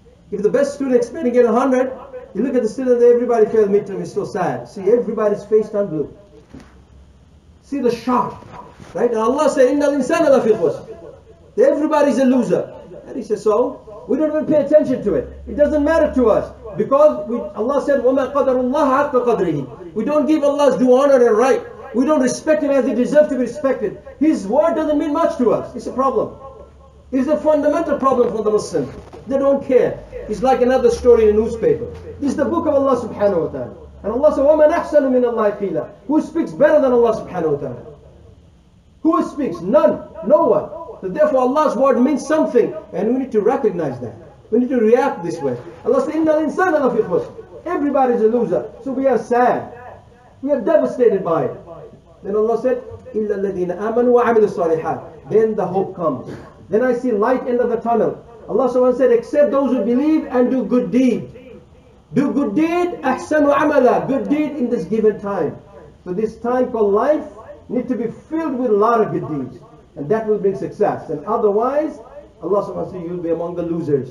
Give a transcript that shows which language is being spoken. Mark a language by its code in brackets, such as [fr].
[en] If the best student expected to get 100, you look at the student, everybody failed midterm, it's so sad. See, everybody's face turned blue. See the shock, right? And Allah said, innal insana lafi khusr. Everybody's a loser. And he says, so? We don't even pay attention to it. It doesn't matter to us. Because Allah said, [ar] وَمَا قَدَرُ اللَّهَ حَقَّ قَدْرِهِ. [en] We don't give Allah's due honor and right. We don't respect Him as He deserves to be respected. His word doesn't mean much to us. It's a problem. It's a fundamental problem for the Muslim. They don't care. It's like another story in a newspaper. This is the book of Allah subhanahu wa ta'ala. And Allah said, [ar] وَمَنْ أَحْسَنُ مِنَ اللَّهِ قِيلًا. [en] Who speaks better than Allah subhanahu wa ta'ala? Who speaks? None. No one. So therefore Allah's word means something. And we need to recognize that. We need to react this way. Allah said, [ar] إِنَّ الْإِنسَانَ لَفِي خُسْرٍ. [en] Everybody's a loser. So we are sad. We are devastated by it. Then Allah said, [ar] إِلَّا الَّذِينَ آمَنُوا وَعَمِلُوا الصَّالِحَاتِ. [en] Then the hope comes. Then I see light end of the tunnel. Allah said, except those who believe and do good deed. Do good deed, ahsanu amala. Good deed in this given time. So this time called life need to be filled with a lot of good deeds. And that will bring success. And otherwise, Allah said, you'll be among the losers.